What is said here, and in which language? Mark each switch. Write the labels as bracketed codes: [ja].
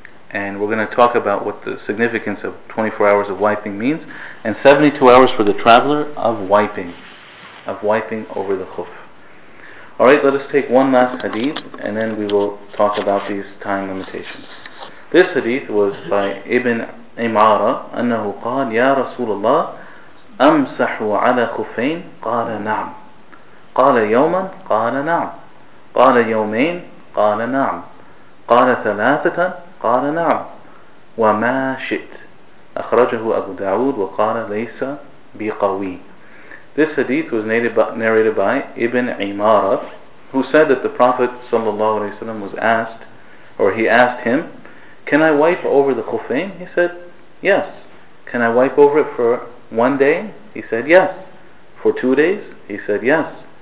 [en] And we're going to talk about what the significance of 24 hours of wiping means. And 72 hours for the traveler of wiping over the khuf. Alright, let us take one last hadith, and then we will talk about these time limitations. This hadith was by Ibn Imara, [ar] أَنَّهُ قَالْ يَا رَسُولَ اللَّهِ أَمْسَحُوا عَلَى خُفَيْنِ قَالَ نَعْمُ قال يوما قال نعم قال يومين قال نعم قال ثلاثة قال نعم وما شئت أخرجه أبو داود وقال ليس بقوي. [en] This hadith was narrated by Ibn Imara, who said that the Prophet sallallahu alaihi wasallam was asked, or he asked him, can I wipe over the khufain? He said yes. Can I wipe over it for 1 day? He said yes. For 2 days? He said yes.